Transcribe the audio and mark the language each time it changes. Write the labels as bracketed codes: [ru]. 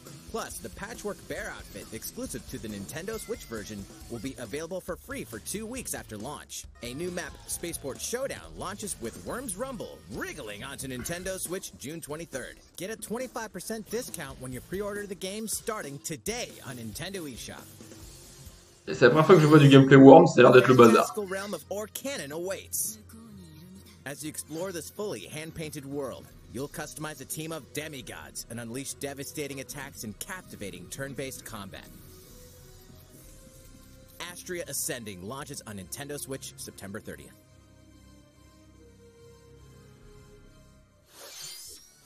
[en] Plus, the Patchwork Bear outfit, exclusive to the Nintendo Switch version, will be available for free for 2 weeks after launch. A new map, Spaceport Showdown, launches with Worms Rumble, wriggling onto Nintendo Switch June 23rd. Get a 25% discount when you pre-order the game starting today on Nintendo eShop. [fr] C'est la première fois que je vois du gameplay Worms, ça a l'air d'être le bazar. [en] The realm of Orcanon awaits. As you explore this fully hand-painted world, you'll customize a team of demigods and unleash devastating attacks and captivating turn-based combat. Astria Ascending launches on Nintendo Switch September 30th.